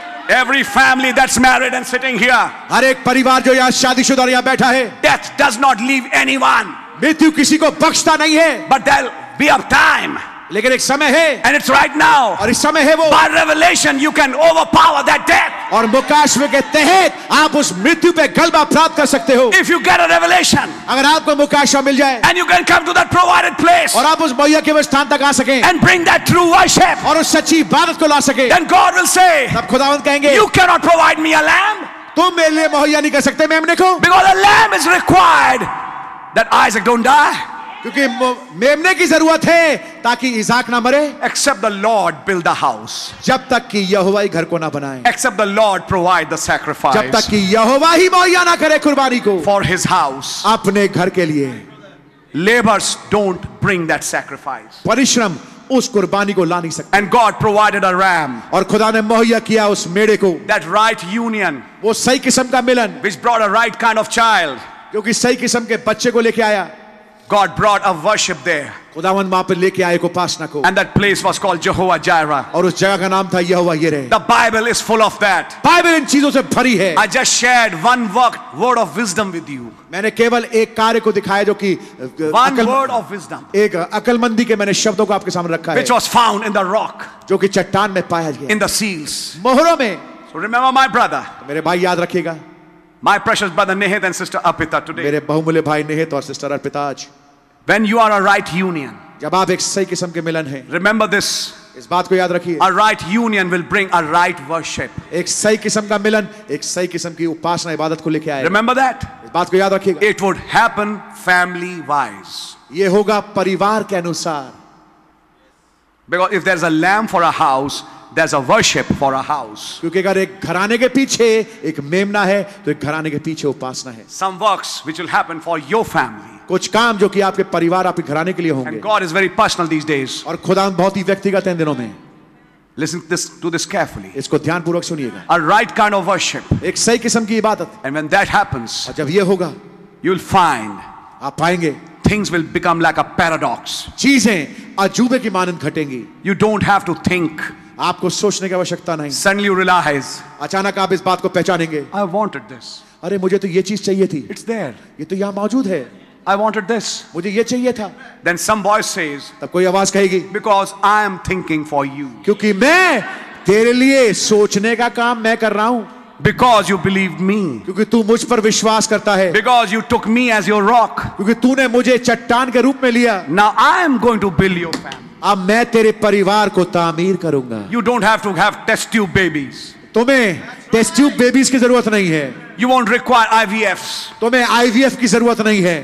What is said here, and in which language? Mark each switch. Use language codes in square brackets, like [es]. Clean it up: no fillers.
[en] Every family that's married and sitting here, [hi] हर एक परिवार जो यहाँ शादीशुदा यहाँ बैठा है, [en] death does not leave anyone. [hi] मृत्यु किसी को बख्शता नहीं है. [en] But there'll be a time. [hi] लेकिन एक समय है. [en] And it's right now. [hi] और इस समय है वो. [en] By revelation, you can overpower that death. [hi] और मुकाश्व के तहत आप उस मृत्यु पे गलबा प्राप्त कर सकते हो. [en] If you get a revelation, [hi] अगर आपको मुकाश्व मिल जाए. [en] And you can come to that provided place. [hi] और आप उस मैया के स्थान तक आ सकें. [en] And bring that true worship. [hi] और उस सच्ची इबादत को ला सकें. [en] Then God will say, [hi] तब खुदावंद कहेंगे, [en] you cannot provide me a lamb. [hi] तुम मेरे लिए मुहैया नहीं कर सकते मेमने को. [en] Because a lamb is required that Isaac don't die. [hi] क्योंकि मेमने की जरूरत है ताकि इसहाक ना मरे. [en] except the Lord build the house, [hi] जब तक कि यहोवा ही घर को ना बनाए. [en] except the Lord provide the sacrifice, [hi] जब तक कि यहोवा ही मुहैया ना करे कुर्बानी को. [en] for his house, [hi] अपने घर के लिए. [en] labours don't bring that sacrifice, [hi] परिश्रम उस कुर्बानी को ला नहीं सकते. [en] and God provided a ram, [hi] और खुदा ने मुहैया किया उस मेड़े को. [en] that right union, [hi] वो सही किस्म का मिलन. [en] which brought a right kind of child, [hi] क्योंकि सही किस्म के बच्चे को लेके आया. [en] God brought a worship there. [hi] खुदावंद वहाँ पर लेके आए को पासना को. [en] And that place was called Jehovah Jireh. [hi] और उस जगह का नाम था यहोवा यिरे. [en] The Bible is full of that. [hi] Bible इन चीजों से भरी है. [en] I just shared one word of wisdom with you. [hi] मैंने केवल एक कार्य को दिखाया जो कि [en] word of wisdom. [hi] एक अकलमंदी के मैंने शब्दों को आपके सामने रखा है. [en] Which was found in the rock. [hi] जो कि चट्टान में पाया गया. [en] In the seals. [hi] मोहरों में. [en] So remember my brother. [hi] मेरे भाई याद रखिएगा. [en] My precious brother Nehit and sister Arpita today. [hi] मेरे बहुमूल्य भाई Nehit और sister Arpita आज. [en] When you are a right union, [hi] जब आप एक सही किस्म के मिलन हैं. [en] Remember this. [hi] इस बात को याद रखिए. [en] A right union will bring a right worship. [hi] एक सही किस्म का मिलन एक सही किस्म की उपासना इबादत को लेके आएगा. [en] Remember that. [hi] इस बात को याद रखिएगा. [en] It would happen family wise. [hi] ये होगा परिवार के अनुसार. [en] Because if there's a lamb for a house, there's a worship for a house. [hi] क्योंकि अगर एक घराने के पीछे एक मेमना है, तो एक घराने के पीछे उपासना है. [en] Some works which will happen for your family. [hi] कुछ काम जो कि आपके परिवार आपके घराने के लिए होंगे. [en] And God is very personal these days. [hi] और खुदा बहुत ही व्यक्तिगत है दिनों में. [en] Listen to this carefully. [hi] इसको ध्यानपूर्वक सुनिएगा. [en] A right kind of worship. [hi] एक सही किस्म की इबादत. [en] And when that happens, [hi] और जब ये होगा, [en] you'll find. [hi] आप पाएंगे. [en] Things will become like a paradox. [hi] चीजें अजूबे की मानन घटेंगी. [en] You don't have to think. [hi] आपको सोचने की आवश्यकता नहीं. [en] Suddenly you realize, [hi] अचानक आप इस बात को पहचानेंगे. [en] I wanted this. [hi] अरे मुझे तो ये चीज चाहिए थी. [en] It's there. [hi] ये तो यहाँ मौजूद है. [en] I wanted this. [hi] मुझे ये चाहिए था. [en] Then some voice says, [hi] तब कोई आवाज कहेगी. [en] Because I am thinking for you. [hi] क्योंकि मैं तेरे लिए सोचने का काम मैं कर रहा हूँ. [en] Because you believed me. [hi] क्योंकि तू मुझ पर विश्वास करता है. [en] Because you took me as your rock. [hi] क्योंकि तूने मुझे चट्टान के रूप में लिया. [en] Now I am going to build your family. [hi] अब मैं तेरे परिवार को तामीर करूंगा. [en] You don't have to have test tube babies. [hi] तुम्हें test tube babies की जरूरत नहीं है. [en] You won't require IVFs. [hi] तुम्हें IVF की जरूरत नहीं है.